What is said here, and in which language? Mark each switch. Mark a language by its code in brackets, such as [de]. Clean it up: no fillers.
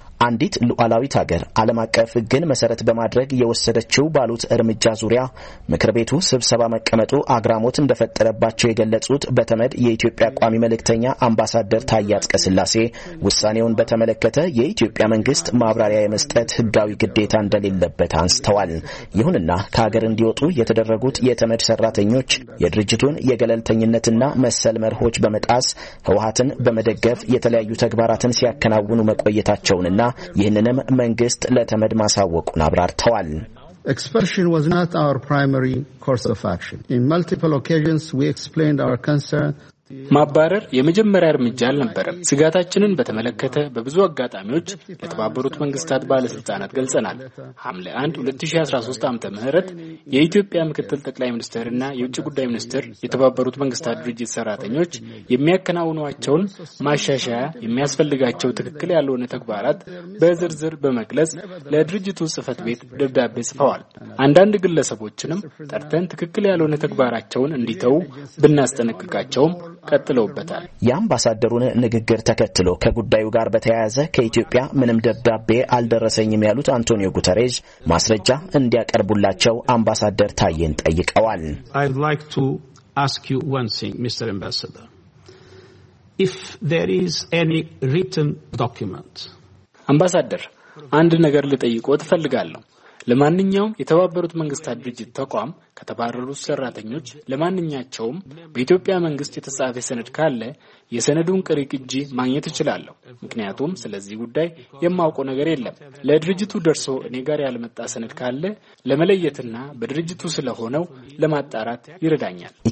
[am] አንዲት ሉዓላዊት ሀገር ዓለም አቀፍ ህግን መሰረት በማድረግ የወሰደችው ባሉት እርምጃ ዙሪያ ምክር ቤቱ ስብሰባ መቀመጡ አግራሞት እንደፈጠረባቸው የገለጹት በተመድ የኢትዮጵያ ቋሚ መልእክተኛ አምባሳደር ታዬ አጽቀሥላሴ ውሳኔውን በተመለከተ የኢትዮጵያ መንግስት ማብራሪያ የመስጠት ህጋዊ ግዴታ እንደሌለበት አንስተዋል። ይሁንና ከሀገር እንዲወጡ የተደረጉት የተመድ ሰራተኞች የድርጅቱን የገለልተኝነትና መሰል መርሆች በመጣስ ህወሓትን በመደገፍ የተለያዩ ተግባራትን ሲያከናውኑ መቆየታቸውን እና ይህንንም መንግስት ለተመድ ማሳወቁን አብራርተዋል። [en] Expulsion was not our primary course of action. In multiple occasions we explained our concern [am] ማባረር የመጀመሪያ እርምጃ አልነበረም። ስጋታችንን በተመለከተ በብዙ አጋጣሚዎች ለተባበሩት መንግስታት ባለስልጣናት ገልጸናል። ሐምሌ 1 2013 ዓ.ም ምህረት የኢትዮጵያ ምክትል ጠቅላይ ሚኒስትርና የውጭ ጉዳይ ሚኒስትር የተባበሩት መንግስታት ድርጅት ሰራተኞች የሚያከናውኗቸውን ማሻሻያ የሚያስፈልጋቸው ትክክል ያልሆነ ተግባራት በዝርዝር በመግለጽ ለድርጅቱ ጽህፈት ቤት ደብዳቤ ጽፈዋል። አንዳንድ ግለሰቦችንም ጠርተን ትክክል ያልሆነ ተግባራቸውን እንዲተው ብናስጠነቅቃቸውም ከተለውበታል። የአምባሳደሩን ንግግር ተከትሎ ከጉዳዩ ጋር በተያያዘ ከኢትዮጵያ ምንም ደብዳቤ አልደረሰኝም ያሉት አንቶኒዮ ጉተሬዝ ማስረጃ እንዲያቀርቡላቸው አምባሳደር ታየን ጠይቀዋል። [en] I'd like to ask you one thing, Mr. Ambassador. If there is any written document. [am] አምባሳደር አንድ ነገር ልጠይቆ ተፈልጋለሁ። ለማንኛውም የተባበሩት መንግስታት ድርጅት ተቋም ከተባረሩት ሰራተኞች ለማንኛቸውም በኢትዮጵያ መንግስት የተጻፈ ሰነድ ካለ የሰነዱን ቅሪቅጂ ማግኘት ይችላል። ምክንያቱም ስለዚህ ጉዳይ የማውቀው ነገር የለም። ለድርጅቱ ደርሶ እኔ ጋር ያለመጣ ሰነድ ካለ ለመለየትና በድርጅቱ ስለሆነው ለማጣራት ይረዳኛል።